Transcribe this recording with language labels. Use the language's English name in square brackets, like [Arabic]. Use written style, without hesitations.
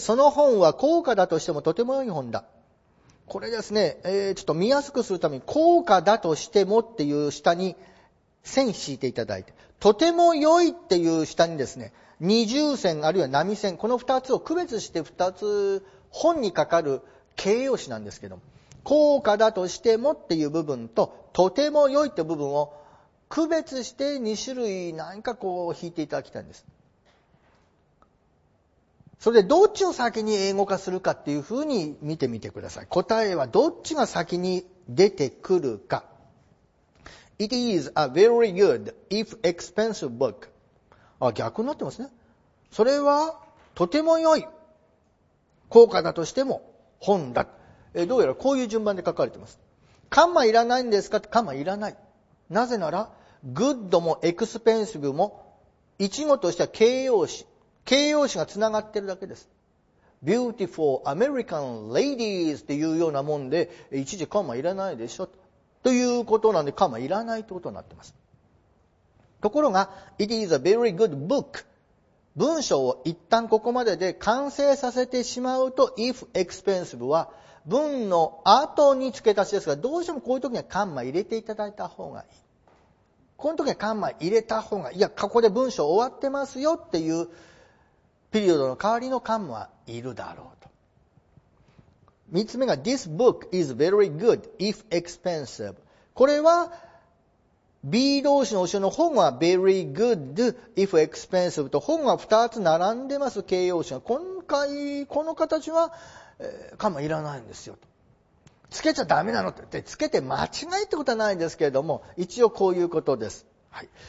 [Japanese] その本は高価だとしてもとても良い本だ。これですね、ちょっと見やすくするために高価だとしてもっていう下に線引いていただいて、とても良いっていう下にですね、二重線あるいは波線、この二つを区別して二つ本にかかる形容詞なんですけども、高価だとしてもっていう部分と、とても良いって部分を区別して2種類何かこう引いていただきたいんです。それでどっちを先に英語化するかっていうふうに見てみてください。答えはどっちが先に出てくるか。 [English] It is a very good if expensive book。 [Japanese] あ、逆になってますね。それはとても良い、高価だとしても本だ。どうやらこういう順番で書かれています。カンマいらないんですか？カンマいらない。なぜなら、グッドもエクスペンシブも、一語としては形容詞。形容詞がつながっているだけです。 Beautiful American ladies というようなもんで、一時カンマいらないでしょ。ということなんで、カンマいらないということになっています。 [English] ところが、It is a very good book。 [Japanese] 文章を一旦ここまでで完成させてしまうと、 If expensive は、文の後に付け足しですが、どうしてもこういう時にはカンマ入れていただいた方がいい。この時にはカンマ入れた方がいい。いや、ここで文章終わってますよっていうピリオドの代わりのカンマはいるだろうと。 [English] 三つ目が、This book is very good if expensive。 [Japanese] これは、B 動詞の後ろの本は very good if expensive と本は二つ並んでます、形容詞が。今回、この形は、カンマいらないんですよと。つけちゃダメなのってつけて間違いってことはないんですけれども、一応こういうことです。はい。